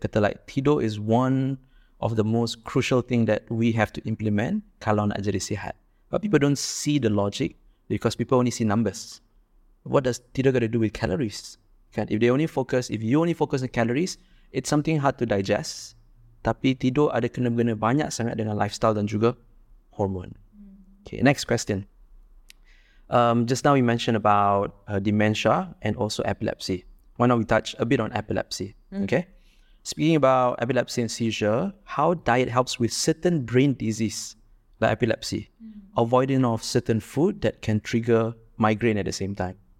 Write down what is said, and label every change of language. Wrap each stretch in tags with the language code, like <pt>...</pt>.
<en>Kata like tidur is one of the most crucial thing that we have to implement</en> <ms>kalau nak jadi sihat.</ms> <en>But people don't see the logic because people only see numbers. What does tidur got to do with calories? Kan? If you only focus on calories, it's something hard to digest.</en> <ms>Tapi tidur ada kena-kena banyak sangat dengan lifestyle dan juga hormone.</ms> <en>Okay, next question. Just now we mentioned about dementia and also epilepsy. Why not we touch a bit on epilepsy? Mm. Okay. Speaking about epilepsy and seizure, how diet helps with certain brain disease, like epilepsy, avoiding of certain food that can trigger migraine at the same time.</en>